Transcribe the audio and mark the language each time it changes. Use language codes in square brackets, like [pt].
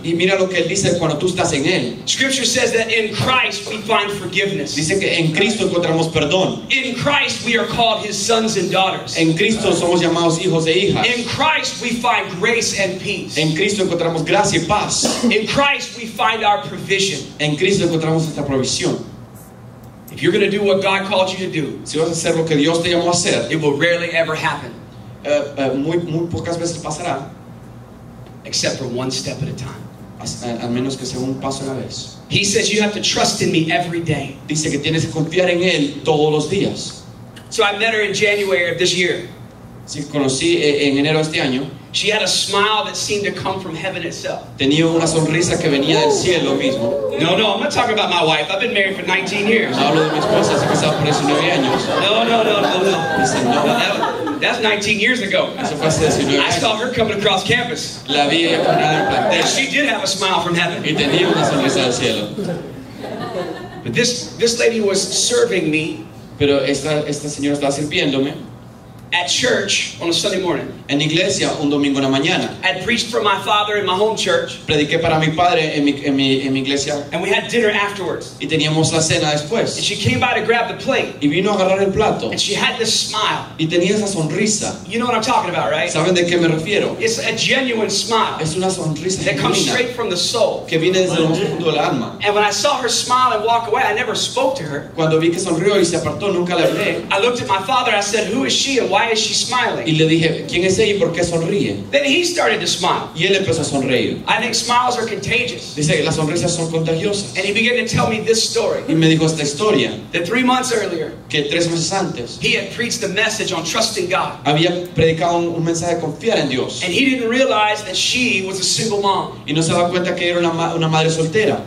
[es] Y mira lo que él dice cuando tú estás en él. [en] Scripture says that in Christ we find forgiveness. [es] Dice que en Cristo encontramos perdón. [en] In Christ we are called his sons and daughters. [es] En Cristo somos llamados hijos e hijas. [en] In Christ we find grace and peace. [es] En Cristo encontramos gracia y paz. [en] In Christ we find our provision. [es] En Cristo encontramos esta provisión. [en] If you're going to do what God called you to do, [es] si vas a hacer lo que Dios te llamó a hacer, [en] it will rarely ever happen. [es] Muy pocas veces pasará. [en] Except for one step at a time. [es] Al menos que sea un paso a la vez. [en] He says you have to trust in me every day. [es] Dice que tienes que confiar en él todos los días. [en] So I met her in January of this year. [es] Sí, conocí en enero este año. [en] She had a smile that seemed to come from heaven itself. [es] Tenía una sonrisa que venía del cielo mismo. [en] No, no, I'm not talking about my wife. I've been married for 19 years. [es] No hablo de mi esposa, estoy casado por 19 años. [en] No. [es] Dice, no. [en] That's 19 years ago. [es] Eso fue hace 19 años. [en] I saw her coming across campus. [es] La vi ella caminando en el plantel. [en] She did have a smile from heaven. [es] Y tenía una sonrisa del cielo. [en] But this lady was serving me. [es] Pero esta señora estaba sirviéndome. [en] At church on a Sunday morning. [es] En iglesia un domingo en la mañana. [en] I'd preached for my father in my home church. [es] Prediqué para mi padre en mi iglesia. [en] And we had dinner afterwards. [es] Y teníamos la cena después. [en] And she came by to grab the plate. [es] Y vino a agarrar el plato. [en] And she had this smile. [es] Y tenía esa sonrisa. [en] You know what I'm talking about, right? [es] ¿Saben de qué me refiero? [en] It's a genuine smile. [es] Es una sonrisa [en] that comes straight from the soul. [es] Que viene desde lo más profundo del alma. [en] And when I saw her smile and walk away, I never spoke to her. [es] Cuando vi que sonrió y se apartó, nunca la hablé. [en] I looked at my father. I said, "Who is she and why?" Why is she smiling? [es] Y le dije, ¿quién es ella y por qué sonríe? [en] Then he started to smile. [es] Y él empezó a sonreír. [en] I think smiles are contagious. [es] Dice, las sonrisas son contagiosas. [en] And he began to tell me this story. [es] Y me dijo esta historia. [en] That 3 months earlier, [es] que 3 meses antes, [en] he had preached the message on trusting God. [es] Había predicado un mensaje de confiar en Dios. [en] And he didn't realize that she was a single mom. [es] Y no se daba cuenta que era una madre soltera.